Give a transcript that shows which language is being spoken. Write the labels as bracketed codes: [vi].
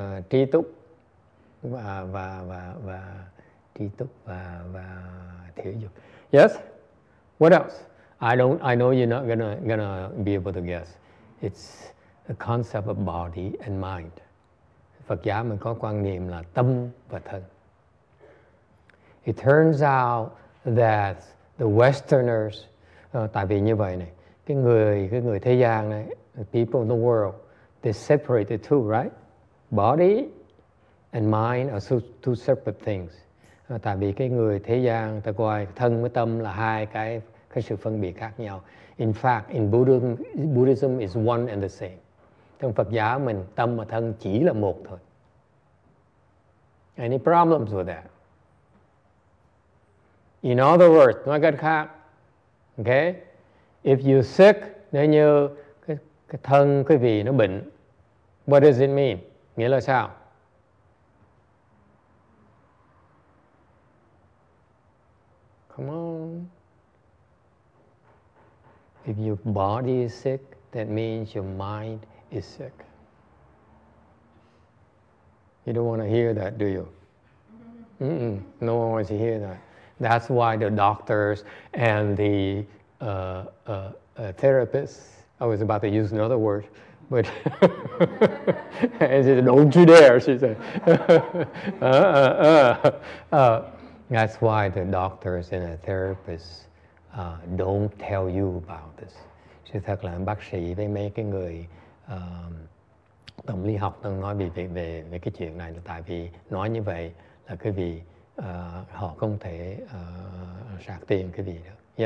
[vi] Trí túc và trí túc và thể dục. [en] Yes? What else? I know you're not gonna be able to guess. It's the concept of body and mind. [vi] Phật giáo mình có quan niệm là tâm và thân. [en] It turns out that the Westerners, [vi] tại vì như vậy này, cái người thế gian này, [en] the people in the world, they separate the two, right? Body and mind are two separate things. [vi] Tại vì cái người thế gian, ta coi thân với tâm là hai cái sự phân biệt khác nhau. [en] In fact, in Buddhism is one and the same. [vi] Trong Phật giáo mình, tâm và thân chỉ là một thôi. [en] Any problems with that? In other words, [vi] nói cách khác, okay? [en] If you're sick, [vi] nếu như cái thân quý vị nó bệnh, [en] what does it mean? [vi] Nghĩa là sao? [en] Come on. If your body is sick, that means your mind is sick. You don't want to hear that, do you? Mm-mm. No one wants to hear that. That's why the doctors and the therapists, I was about to use another word, but and she said, don't you dare, she said. That's why the doctors and the therapists don't tell you about this. [vi] Sự thật là bác sĩ với mấy cái người tâm lý học đang nói về cái chuyện này, tại vì nói như vậy là quý vị họ không thể sạc tiền quý vị được.